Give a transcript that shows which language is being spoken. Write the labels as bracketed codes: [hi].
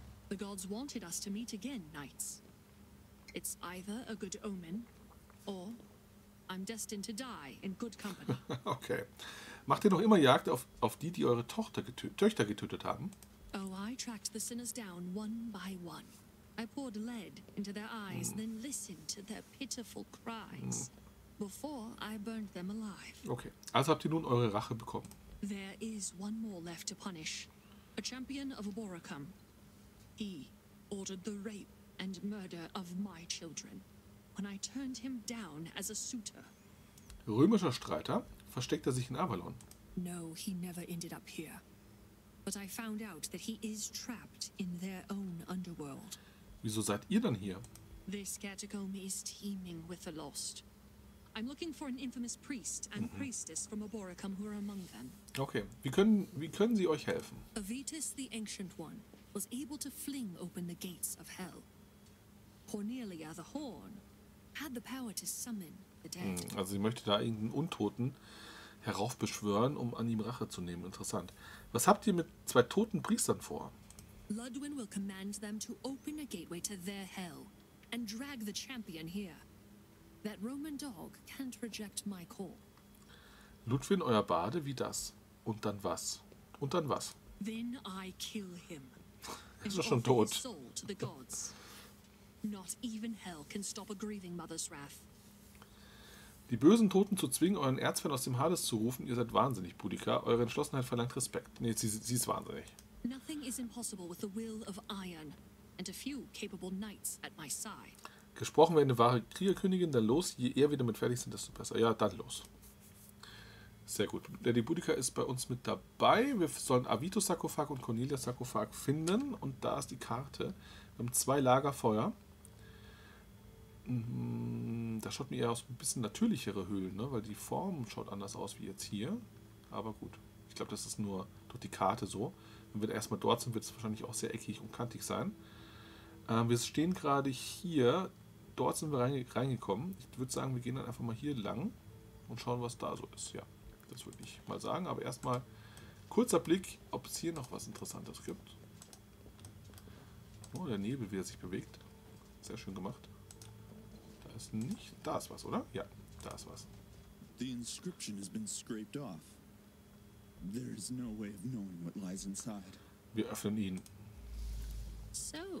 [en] The gods wanted us to meet again, knights. It's either a good omen. Or, I'm destined to die in good company. Okay. [de] Macht ihr noch immer Jagd auf die, die eure Töchter getötet haben? [en] Oh, I tracked the sinners down one by one. I poured lead into their eyes, then listened to their pitiful cries. Before I burned them alive. Okay. [de] Also habt ihr nun eure Rache bekommen. [en] There is one more left to punish. A champion of Aboricum. He ordered the rape and murder of my children. When I turned him down as a suitor. [de] Römischer Streiter? Versteckt er sich in Avalon? [en] No, he never ended up here. But I found out that he is trapped in their own underworld. [de] Wieso seid ihr dann hier? This catacomb is teeming with the lost. I'm looking for an infamous priest and priestess from Aboricum who are among them. Okay, wie können sie euch helfen? [en] Avitus the Ancient One was able to fling open the gates of hell. Cornelia the Horn had the power to summon the dead. [de] Also sie möchte da irgendeinen Untoten heraufbeschwören, um an ihm Rache zu nehmen. Interessant. Was habt ihr mit zwei toten Priestern vor? [en] Ludwin will command them to open a gateway to their hell and drag the champion here. That Roman dog can't reject my call. [de] Ludwin, euer Bade, wie das? Und dann was? Und dann was? [en] Then I kill him. [de] Ist doch schon tot. [en] Soul to the gods. Not even hell can stop a grieving mother's wrath. [de] Die bösen Toten zu zwingen, euren Erzfeind aus dem Hades zu rufen, ihr seid wahnsinnig, Boudica. Eure Entschlossenheit verlangt Respekt. Nee, sie ist wahnsinnig. [en] Nothing is impossible with the will of iron and a few capable knights at my side. [de] Gesprochen wäre eine wahre Kriegerkönigin, dann los. Je eher wir damit fertig sind, desto besser. Ja, dann los. Sehr gut. Lady Boudica ist bei uns mit dabei. Wir sollen Avitus Sarkophag und Cornelia Sarkophag finden. Und da ist die Karte. Wir haben zwei Lagerfeuer. Da schaut mir eher aus ein bisschen natürlichere Höhlen, ne? Weil die Form schaut anders aus wie jetzt hier. Aber gut. Ich glaube, das ist nur durch die Karte so. Wenn wir erstmal dort sind, wird es wahrscheinlich auch sehr eckig und kantig sein. Wir stehen gerade hier. Dort sind wir reingekommen. Ich würde sagen, wir gehen dann einfach mal hier lang und schauen, was da so ist. Ja, das würde ich mal sagen. Aber erstmal kurzer Blick, ob es hier noch was Interessantes gibt. Oh, der Nebel, wie er sich bewegt. Sehr schön gemacht. Da ist nicht. Da ist was, oder? Ja, da ist was. [en] The inscription has been scraped off. There is no way of knowing what lies inside. [de] Wir öffnen ihn. [en] So, the dead don't take their belongings to the other world. Splendid.